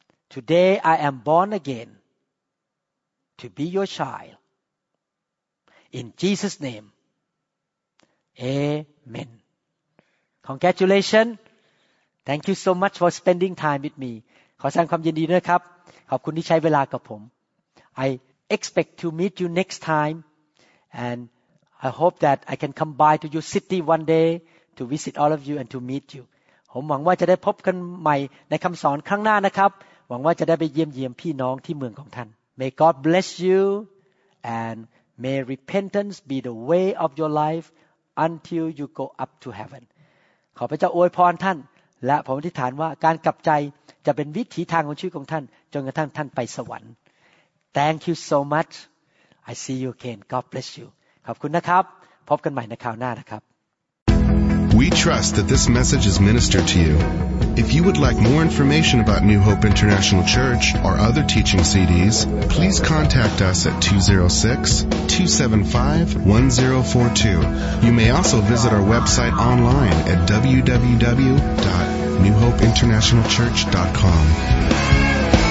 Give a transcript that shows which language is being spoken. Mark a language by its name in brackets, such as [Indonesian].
[English] Today I am born again to be your child. In Jesus' name, Amen. Congratulations. Thank you so much for spending time with me. [Thai] ขอแสดงความยินดีด้วยครับ ขอบคุณที่ใช้เวลากับผม. [English] I expect to meet you next time. And I hope that I can come by to your city one day. To visit all of you and to meet you. [Thai] ผมหวังว่าจะได้พบกันใหม่ในคำสอนครั้งหน้านะครับหวังว่าจะได้ไปเยี่ยมเยียมพี่น้องที่เมืองของท่าน [English] May God bless you and may repentance be the way of your life until you go up to heaven. [Thai] ขอพระเจ้าอวยพรท่านและผมอธิษฐานว่าการกลับใจจะเป็นวิถีทางของชีวิตของท่านจนกระทั่งท่านไปสวรรค์ [English] Thank you so much. I see you again. God bless you. [Thai] ขอบคุณนะครับพบกันใหม่ในคราวหน้านะครับ [English] We trust that this message is ministered to you. If you would like more information about New Hope International Church or other teaching CDs, please contact us at 206-275-1042. You may also visit our website online at www.newhopeinternationalchurch.com.